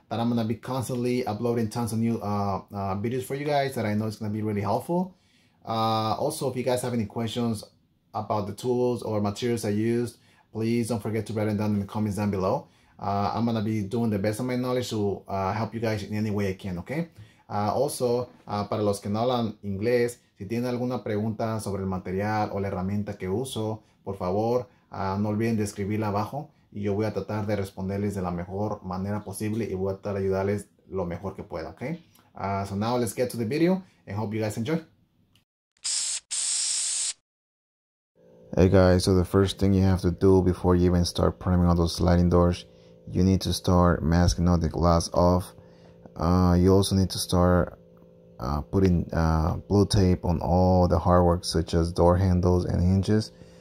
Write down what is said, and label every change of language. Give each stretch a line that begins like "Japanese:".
English: But I'm gonna be constantly uploading tons of new videos for you guys that I know is gonna be really helpful. Also, if you guys have any questions about the tools or materials I used, please don't forget to write them down in the comments down below. I'm gonna be doing the best of my knowledge to help you guys in any way I can, okay?
Spanish: Also, para los que no hablan inglés, si tienen alguna pregunta sobre el material o la herramienta que uso, por favor, no olviden de escribirla abajo y yo voy a tratar de responderles de la mejor manera posible y voy a tratar de ayudarles lo mejor que pueda, okay?
English: So now let's get to the video and hope you guys enjoy. Hey guys, so the first thing you have to do before you even start priming on those sliding doors, you need to start masking all the glass off. You also need to start putting blue tape on all the hard work such as door handles and hinges.